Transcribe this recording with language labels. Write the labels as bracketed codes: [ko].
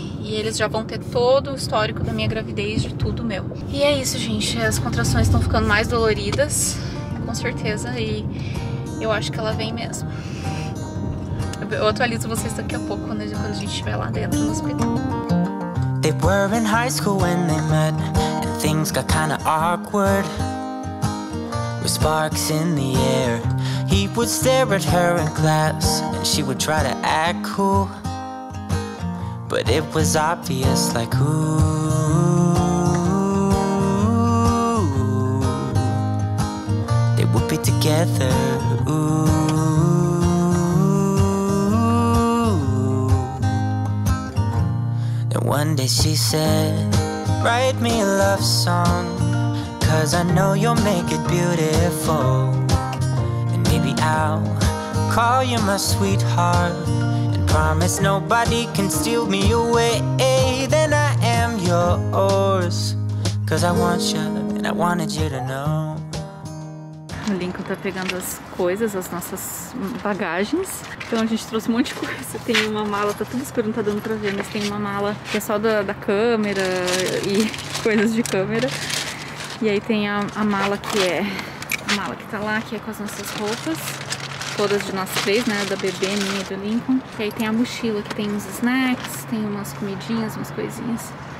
[pt] E eles já vão ter todo o histórico da minha gravidez, de tudo meu. E é isso, gente. As contrações estão ficando mais doloridas, com certeza. E eu acho que ela vem mesmo. Eu atualizo vocês daqui a pouco, né, quando a gente estiver lá dentro no hospital. [en] They were in high school when they met, and things got kinda awkward. With sparks in the air, he would stare at her in class, and she would try to act cool. But it was obvious, like, ooh, they would be together, ooh. And one day she said, write me a love song, 'cause I know you'll make it beautiful. And maybe I'll call you my sweetheart, promise nobody can steal me away. Then I am yours, 'cause I want you and I wanted you to know. [pt] O Lincoln tá pegando as coisas, as nossas bagagens. Então a gente trouxe um monte de coisa. Tem uma mala, tá tudo escuro, não tá dando pra ver, mas tem uma mala que é só da câmera e coisas de câmera. E aí tem a mala que tá lá, que é com as nossas roupas. Todas de nós três, né? Da bebê, minha e do Lincoln. E aí tem a mochila, que tem uns snacks, tem umas comidinhas, umas coisinhas.